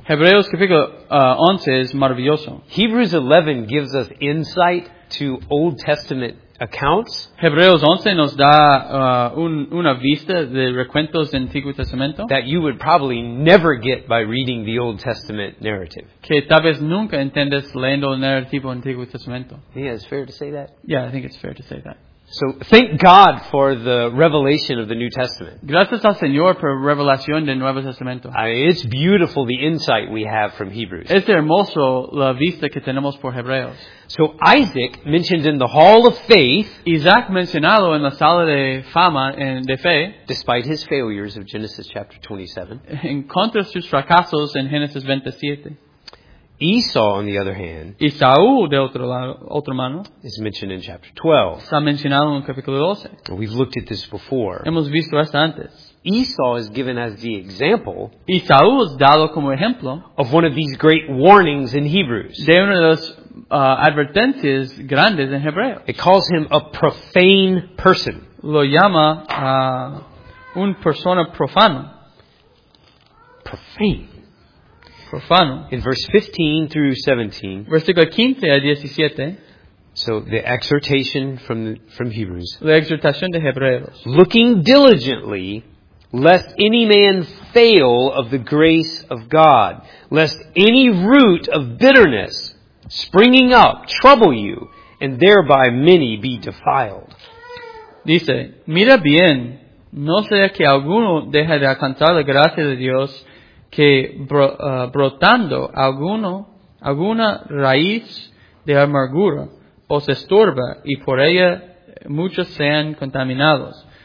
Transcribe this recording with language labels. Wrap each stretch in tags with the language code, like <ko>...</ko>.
<es>Hebreos capítulo 11 es maravilloso.</es> <en>Hebrews 11 gives us insight. to Old Testament accounts.</en> <es>Hebreos 11 nos da una vista de recuentos del Antiguo Testamento</es> <en>that you would probably never get by reading the Old Testament narrative.</en> <es>Que tal vez nunca entiendes leyendo el narrativo Antiguo Testamento.</es> <en>Yeah, it's fair to say that. Yeah, I think it's fair to say that. So thank God for the revelation of the New Testament.</en> <es>Gracias al Señor por revelación del Nuevo Testamento.</es> <en>I mean, it's beautiful the insight we have from Hebrews.</en> <es>Es hermoso la vista que tenemos por Hebreos.</es> <en>So Isaac mentioned in the Hall of Faith.</en> <es>Isaac mencionado en la sala de fama en de fe.</es> <en>Despite his failures of Genesis chapter 27.</en> <es>En contra sus fracasos en Génesis 27.</es> <en>Esau, on the other hand,</en> <es>Esau, de otro lado, otro mano,</es> <en>is mentioned in chapter 12.</en> <es>Está mencionado en capítulo 12.</es> <en>We've looked at this before.</en> <es>Hemos visto esto antes.</es> <en>Esau is given as the example,</en> <es>Esau es dado como ejemplo,</es> <en>of one of these great warnings in Hebrews.</en> <es>De una de las advertencias grandes en Hebreo.</es> <en>It calls him a profane person.</en> <es>Lo llama un persona profano.</es> <en>Profane.</en> <es>Profano.</es> <en>In verse 15 through 17.</en> <es>Versículo 15 a 17.</es> <en>So the exhortation from Hebrews.</en> <es>La exhortación de Hebreos.</es> <en>Looking diligently, lest any man fail of the grace of God, lest any root of bitterness springing up trouble you, and thereby many be defiled.</en> <es>Dice, mira bien, no sea que alguno deje de alcanzar la gracia de Dios, que brotando alguna raíz de amargura os estorba y por ella muchos sean contaminados.</es>